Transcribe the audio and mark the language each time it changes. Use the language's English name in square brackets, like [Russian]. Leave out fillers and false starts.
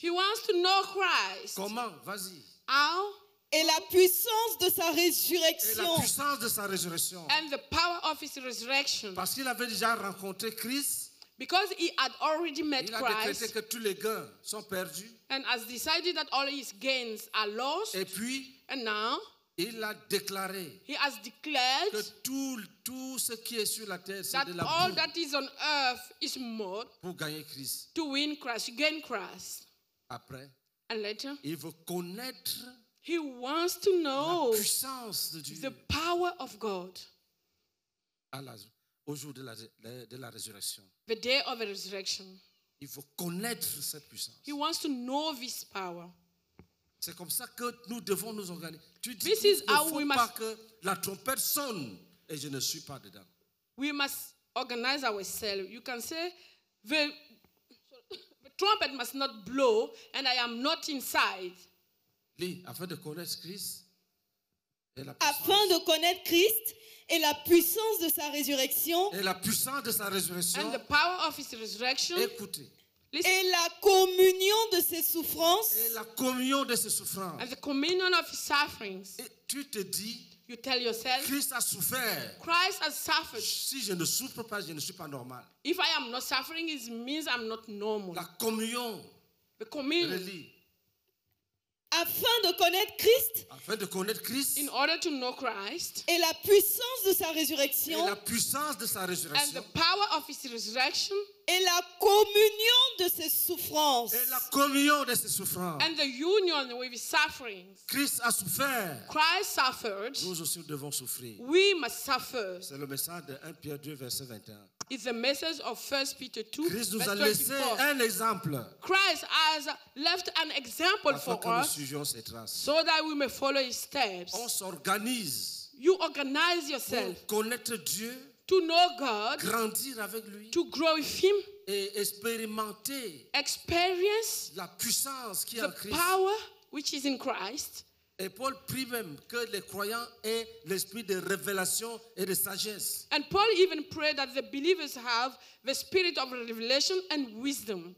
[English] He wants to know Christ. [French] Comment? Vas-y. [English] How? [French] Et la puissance de sa résurrection. Et la puissance de sa résurrection. [English] And the power of his resurrection. [French] Parce qu'il avait déjà rencontré Christ. [English] Because he had already met Christ. [French] Il a décrété que tous les gains sont perdus. [English] And has decided that all his gains are lost. [French] Et puis, [English] and now, [French] Il a déclaré [English] he has declared [French] que tout ce qui est sur la terre, c'est de la boue. [English] All that is on earth is mud. [French] Pour gagner Christ. [English] To win Christ, gain Christ. [French] Après. [English] And later. [French] Il veut connaître. [English] He wants to know [French] la puissance de Dieu. [English] The power of God. [French] Au jour de la résurrection. [English] The day of the resurrection. [French] Il veut connaître cette puissance. [English] He wants to know this power. [French] C'est comme ça que nous devons nous organiser. Tu dis [English] this is how we must, [French] que la trompette sonne et je ne suis pas dedans. [English] We must organize ourselves. You can say the trumpet must not blow and I am not inside. [French] Lui, afin de connaître Christ et la afin de connaître Christ et la puissance de sa résurrection et la puissance de sa résurrection [English] and the power of his resurrection. [French] Écoutez. Et la communion de ses souffrances. Et la communion de ses souffrances. [English] And the communion of his sufferings. [French] Et tu te dis. [English] You tell yourself. [French] Christ a souffert. [English] Christ has suffered. [French] Si je ne souffre pas, je ne suis pas normal. [English] If I am not suffering, it means I'm not normal. [French] La communion. [English] The communion. [French] Relie. Afin de connaître Christ. Afin de connaître Christ. [English] In order to know Christ. [French] Et la puissance de sa résurrection. Et la puissance de sa résurrection. [English] And the power of his resurrection. [French] Et la communion de ses souffrances. Et la communion de ses souffrances. [English] And the union with his sufferings. [French] Christ a souffert. [English] Christ suffered. [French] Nous aussi devons souffrir. [English] We must suffer. [French] C'est le message de 1 Pierre 2 verset 21. [English] It's the message of 1 Peter 2. [French] Christ nous a laissé un exemple. [English] Christ has left an example for us. [French] Nous suivions ses traces. [English] So that we may follow his steps. [French] On s'organise. [English] You organize yourself. [French] Pour connaître Dieu. [English] To know God, [French] grandir avec lui, [English] to grow with him, [French] et expérimenter, [English] experience [French] la puissance qui [English] the [French] est en Christ. [English] Power which is in Christ. [French] Et Paul prie même que les croyants aient l'esprit de révélation et de sagesse. [English] And Paul even prayed that the believers have the spirit of revelation and wisdom.